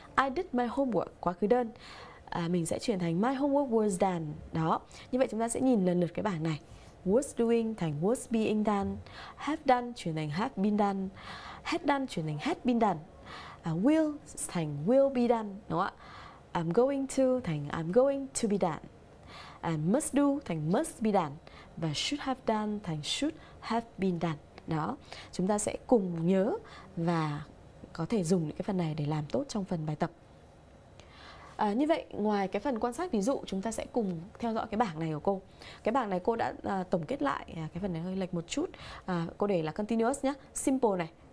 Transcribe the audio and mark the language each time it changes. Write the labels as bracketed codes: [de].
[en] I did my homework, [vi] quá khứ đơn. Mình sẽ chuyển thành [en] my homework was done. [vi] Đó, như vậy chúng ta sẽ nhìn lần lượt cái bảng này. Was doing thành was being done. Have done chuyển thành have been done. Had done chuyển thành had been done. Will thành will be done, đúng không ạ? [en] I'm going to thành I'm going to be done. And must do thành must be done. [vi] Và should have done thành should have been done. Đó, chúng ta sẽ cùng nhớ và có thể dùng những cái phần này để làm tốt trong phần bài tập. Như vậy, ngoài cái phần quan sát ví dụ, chúng ta sẽ cùng theo dõi cái bảng này của cô. Cái bảng này cô đã tổng kết lại, cái phần này hơi lệch một chút. Cô để là continuous nhé, simple này.